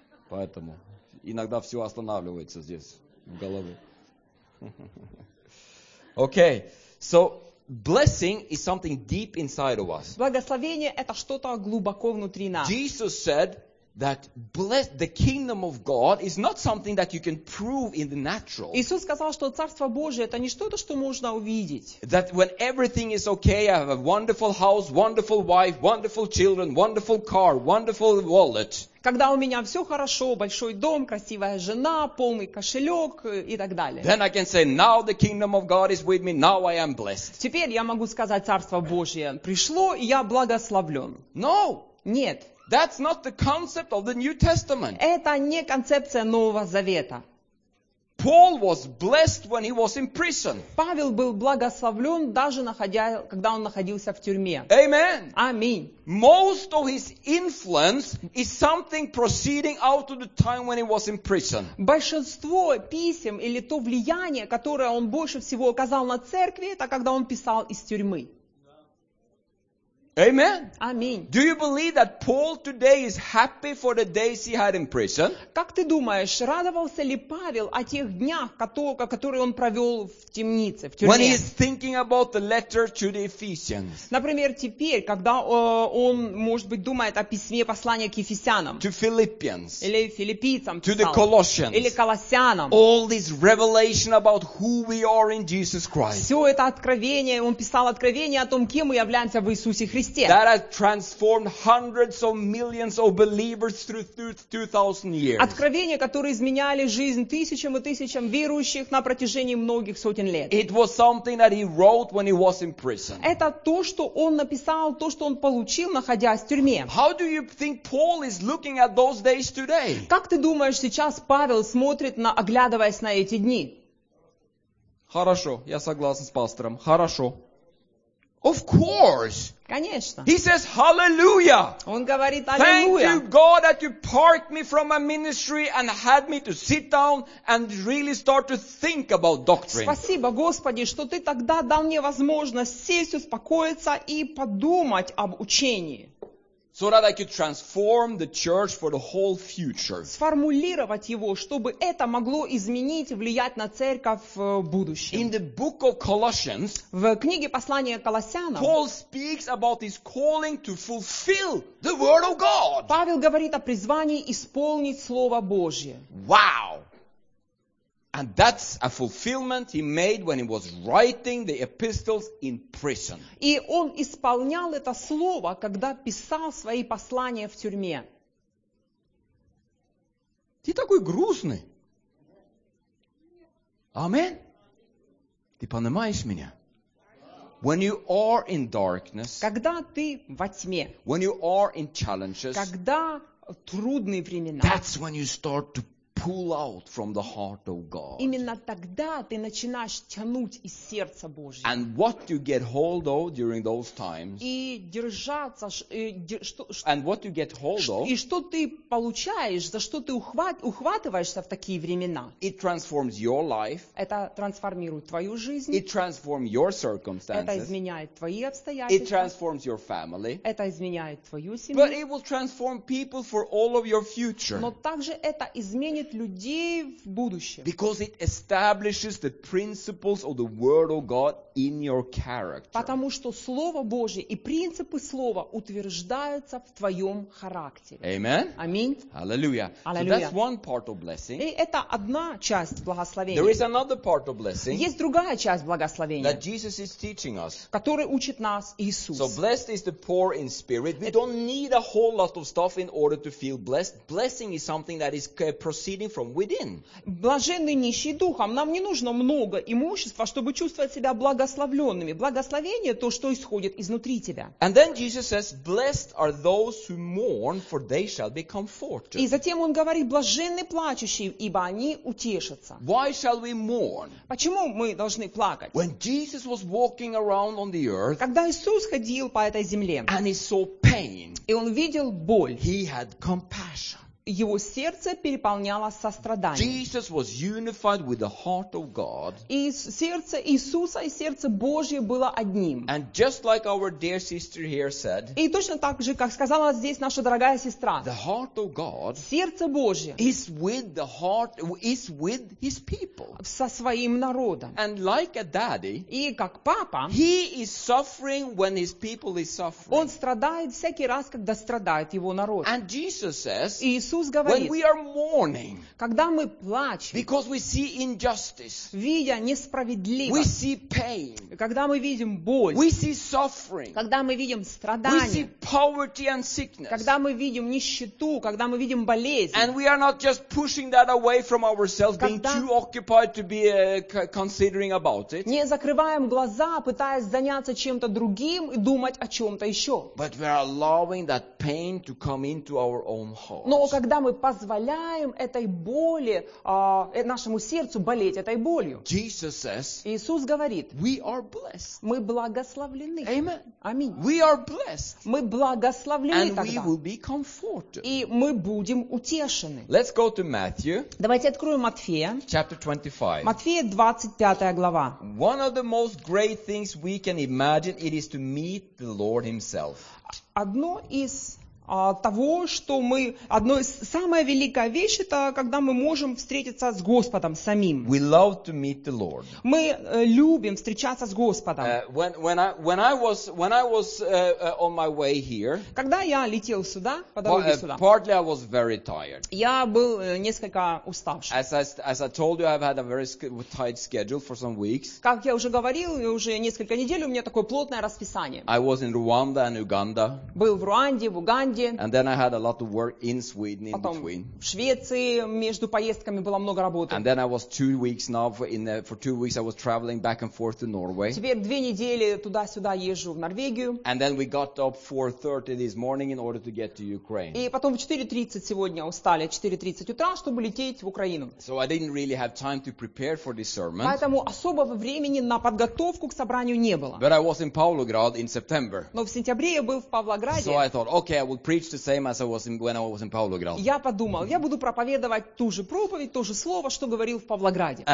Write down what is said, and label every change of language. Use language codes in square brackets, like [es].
[ru] Поэтому иногда все останавливается здесь, в голове. [en] Okay, so... Blessing is something deep inside of us. [ru] Благословение это что-то глубоко внутри нас. [en] Jesus said that the kingdom of God is not something that you can prove in the natural. [ru] Иисус сказал, что царство Божие это не что-то, что можно увидеть. [en] That when everything is okay, I have a wonderful house, wonderful wife, wonderful children, wonderful car, wonderful wallet. [ru] Когда у меня все хорошо, большой дом, красивая жена, полный кошелек и так далее. [en] Then I can say, now the kingdom of God is with me, now I am blessed. [ru] Теперь я могу сказать, царство Божие пришло, и я благословлен. [en] No. [ru] Нет. [en] That's not the concept of the New Testament. [ru] Это не концепция Нового Завета. [en] Paul was blessed when he was in prison. [ru] Павел был благословлен, даже когда он находился в тюрьме. [en] Amen. [ru] Аминь. [en] Most of his influence is something proceeding out of the time when he was in prison. [ru] Большинство писем или то влияние, которое он больше всего оказал на церкви, это когда он писал из тюрьмы. [en] Amen. [ru] Аминь. [en] Do you believe that Paul today is happy for the days he had in prison? [ru] Как ты думаешь, радовался ли Павел о тех днях, которые он провел в темнице, в тюрьме? [en] When he is thinking about the letter to the Ephesians. [ru] Например, теперь, когда он, может быть, думает о письме, послании к Ефесянам. [en] To Philippians. [ru] Или филиппийцам. [en] To the Colossians. [ru] Или Колоссянам. [en] All this revelation about who we are in Jesus Christ. [ru] Все это откровение, он писал откровение о том, кем мы являемся в Иисусе Христе. [en] That has transformed hundreds of millions of believers through 2,000 years. [ru] Откровения, которые изменяли жизнь тысячам и тысячам верующих на протяжении многих сотен лет. [en] It was something that he wrote when he was in prison. [ru] Это то, что он написал, то, что он получил, находясь в тюрьме. [en] How do you think Paul is looking at those days today? [ru] Как ты думаешь, сейчас Павел смотрит, оглядываясь на эти дни? Хорошо, я согласен с пастором. Хорошо. [en] Of course. [ru] Конечно. [en] He says, "Hallelujah." [ru] Он говорит, [en] "Thank you, God, that you parked me from my ministry and had me to sit down and really start to think about doctrine." [ru] Спасибо, Господи, что ты тогда дал мне возможность сесть, успокоиться и подумать об учении. [en] So that I could transform the church for the whole future. [ru] Сформулировать его, чтобы это могло изменить, влиять на церковь в будущем. [en] In the book of Colossians, [ru] в книге послания Колоссянам, [en] Paul speaks about his calling to fulfill the word of God. [ru] Павел говорит о призвании исполнить Слово Божье. [en] Wow! And that's a fulfillment he made when he was writing the epistles in prison. [ru] И он исполнял это слово, когда писал свои послания в тюрьме. Ты такой грустный. Амин. Ты понимаешь меня? [en] When you are in darkness, [ru] когда ты во тьме, [en] when you are in challenges, [ru] когда трудные времена, [en] that's when you start to pull out from the heart of God. [ru] Именно тогда ты начинаешь тянуть из сердца Божьего. [en] And what you get hold of during those times? [ru] И держаться, [en] And what you get hold of? [ru] И что ты получаешь, за что ты ухватываешься в такие времена? [en] It transforms your life. [ru] Это трансформирует твою жизнь. [en] It transforms your circumstances. [ru] Это изменяет твои обстоятельства. [en] It transforms your family. [ru] Это изменяет твою семью. [en] But it will transform people for all of your future. [ru] Но также это изменит людей в будущем. [en] Because it establishes the principles of the word of God in your character. [ru] Потому что Слово Божье и принципы Слова утверждаются в твоем характере. [en] Amen. [ru] Аминь. [en] Hallelujah. Hallelujah. So that's one part of blessing. [ru] И это одна часть благословения. [en] There is another part of blessing. [ru] Есть другая часть благословения. [en] That Jesus is teaching us. [ru] Который учит нас Иисус. [en] So blessed is the poor in spirit. We don't need a whole lot of stuff in order to feel blessed. Blessing is something that is proceeding from within. [ru] Блаженны нищие духом. Нам не нужно много имущества, чтобы чувствовать себя благословленными. Благословение то, что исходит изнутри тебя. [en] And then Jesus says, "Blessed are those who mourn, for they shall be comforted." [ru] И затем он говорит: "Блаженны плачущие, ибо они утешатся." [en] Why shall we mourn? [ru] Почему мы должны плакать? [en] When Jesus was walking around on the earth, [ru] когда Иисус ходил по этой земле, [en] and he saw pain, [ru] и он видел боль, [en] he had compassion. [ru] Его сердце переполняло сострадание. [en] Jesus was unified with the heart of God. [ru] И сердце Иисуса и сердце Божье было одним. [en] And just like our dear sister here said, [ru] и точно так же, как сказала здесь наша дорогая сестра, [en] the heart of God, [ru] сердце Божье, [en] is with the heart, is with his people, [ru] со своим народом. [en] And like a daddy, [ru] и как папа, [en] he is suffering when his people is suffering. [ru] Он страдает всякий раз, когда страдает его народ. [en] And Jesus says, [ru] Иисус говорит, [en] when we are mourning, [ru] когда мы плачем, [en] because we see injustice, [ru] видя несправедливость, [en] we see pain, [ru] когда мы видим боль, [en] we see suffering, [ru] когда мы видим страдания, [en] we see poverty and sickness, [ru] когда мы видим нищету, когда мы видим болезнь, [en] and we are not just pushing that away from ourselves, being too occupied to be considering about it, [ru] не закрываем глаза, пытаясь заняться чем-то другим и думать о чем-то еще, [en] but we are allowing that pain to come into our own heart. [ru] Но когда мы позволяем этой боли, нашему сердцу болеть этой болью, [en] Jesus says, [ru] Иисус говорит, [en] we are blessed. [ru] Мы благословлены. [en] Amen. [ru] Аминь. [en] We are blessed. [ru] Мы благословлены [en] And [ru] тогда. [en] We will be comforted. [ru] И мы будем утешены. [en] Let's go to Matthew, [ru] давайте откроем Матфея. [en] Chapter 25. [ru] Матфея 25 глава. [en] One of the most great things we can imagine it is to meet the Lord himself. [ru] Одно из того, что мы... Одно из... Самая великая вещь, это когда мы можем встретиться с Господом самим. [en] We love to meet the Lord. [ru] Мы любим встречаться с Господом. Когда я летел сюда, по дороге сюда, [en] partly I was very tired. [ru] Я был несколько уставший. [en] As I told you, I've had a very tight schedule for some weeks. [ru] Как я уже говорил, уже несколько недель у меня такое плотное расписание. [en] I was in Rwanda and Uganda. [ru] Был в Руанде, в Уганде, Финляндии. [en] And then I had a lot of work in Sweden in [ru] Потом [en] between. [ru] В Швеции между поездками было много работы. [en] And then I was 2 weeks now for 2 weeks I was traveling back and forth to Norway. [ru] Теперь 2 недели туда-сюда езжу в Норвегию. [en] And then we got up 4:30 this morning in order to get to Ukraine. [ru] И потом в 4:30 сегодня устали, 4:30 утра, чтобы лететь в Украину. [en] So I didn't really have time to prepare for this sermon. [ru] Поэтому особого времени на подготовку к собранию не было. [en] But I was in Pavlograd in September. [ru] Но в сентябре я был в Павлограде. [en] So I thought, okay, I will preach the same as I was when I was in Pavlograd. [ru] Я подумал, я буду проповедовать ту же проповедь, то же слово, что говорил в Павлограде.